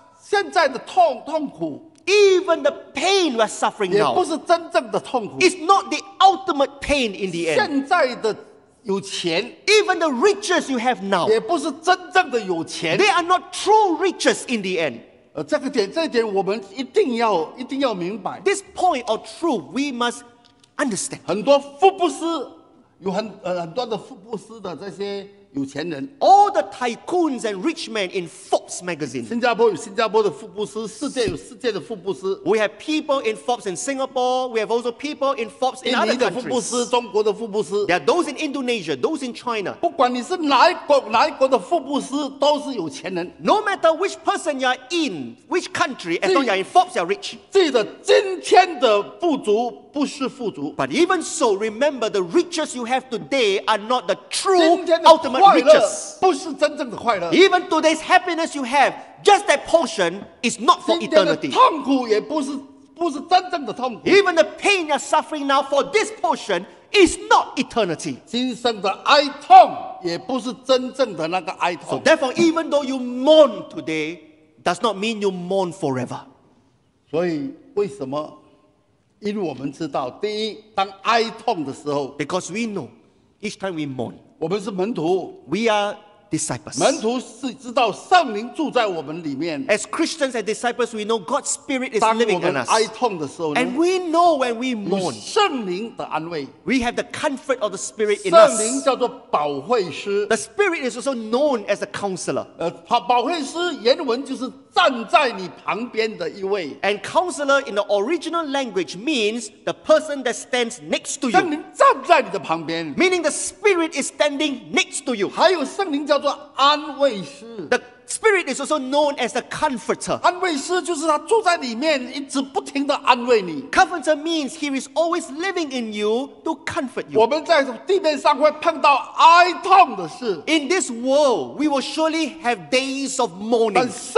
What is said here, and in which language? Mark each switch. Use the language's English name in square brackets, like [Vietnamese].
[Chinese] 现在的痛苦, [English] even the pain we're suffering now, is not the ultimate pain in the end. [Chinese] 现在的有钱, [English] even the riches you have now, they are not true riches in the end. [Chinese] 这个点我们一定要明白。 [English] This point of truth we must understand. [Chinese] 很多富布斯,有很多的富布斯的这些, [English] all the tycoons and rich men in Forbes magazine. [Chinese] 新加坡有新加坡的富布斯,世界有世界的富布斯。 [English] We have people in Forbes in Singapore. We have also people in Forbes in other countries. [Chinese] 印尼的富布斯,中国的富布斯。 [English] There are those in Indonesia, those in China. [Chinese] 不管你是哪一国的富布斯,都是有钱人。 [English] No matter which person you are in, which country, as long as you are in Forbes, you are rich. [Chinese] 记得今天的富足, [English] but even so, remember the riches you have today are not the true ultimate riches. Even today's happiness you have, just that portion is not for eternity. [Chinese] 不是真正的痛苦. [English] Even the pain you're suffering now for this portion is not eternity. So therefore, even though you mourn today, does not mean you mourn forever. [Chinese] 所以为什么? 因为我们知道, 第一, 当哀痛的时候, [English] because we know, each time we mourn, [Chinese] 我们是门徒, [English] we are disciples. [Chinese] 门徒是知道圣灵住在我们里面。 [English] As Christians and disciples, we know God's Spirit is living in us. [Chinese] 当我们哀痛的时候呢, [English] and we know when we mourn, [Chinese] 圣灵的安慰, [English] we have the comfort of the Spirit in us. [Chinese] 圣灵叫做保惠师, [English] the Spirit is also known as a counselor. [Chinese] 保惠师原文就是站在你旁边的一位。 [English] And counselor in the original language means the person that stands next to you. [Chinese] 圣灵站在你的旁边, [English] meaning the Spirit is standing next to you. [Chinese] 还有圣灵叫做安慰师。 [English] The Spirit is also known as the Comforter. [Chinese] 安慰师就是他住在里面，一直不停地安慰你。 [English] Comforter means he is always living in you to comfort you. [Chinese] 我们在地面上会碰到哀痛的事。 [English] In this world, we will surely have days of mourning.